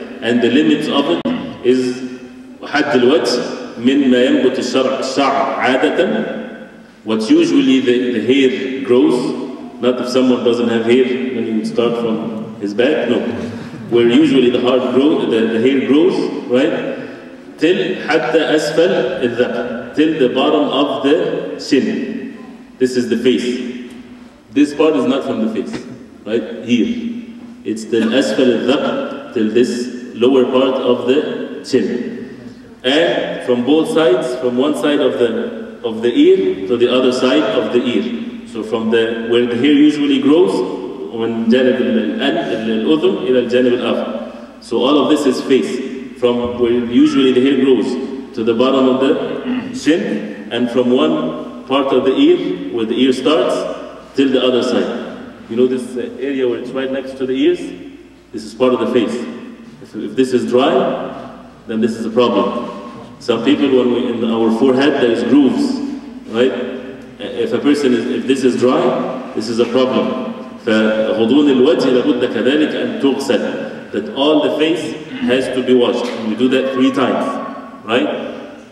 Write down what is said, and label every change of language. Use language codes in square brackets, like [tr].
[en] And the limits of it is [ar] حَدِّ الْوَجْهِ مِنْ مَا يَنْبُتِ الشَّعْرِ عَادَةً. [en] What usually the hair grows, not if someone doesn't have hair, then you start from his back, no. Where usually the hair grows, the hair grows, right? Till [ar] حَتَّى أَسْفَلْ الذَّقْ. [en] Till the bottom of the shin. This is the face. This part is not from the face, right? Here. It's till [ar] أَسْفَلْ الذَّقْ. [en] Till this lower part of the chin, and from both sides, from one side of the ear to the other side of the ear. So from the where the hair usually grows, [ar] من جانب الأذن إلى الجانب الآخر. [en] So all of this is face, from where usually the hair grows to the bottom of the chin, and from one part of the ear where the ear starts till the other side. You know this area where it's right next to the ears. This is part of the face. If this is dry, then this is a problem. Some people, when we in our forehead, there is grooves, right? If a person is, if this is dry, this is a problem. [ar] فغضون الوجه لابد كذلك أن تغسل. [en] That all the face has to be washed. And we do that three times, right?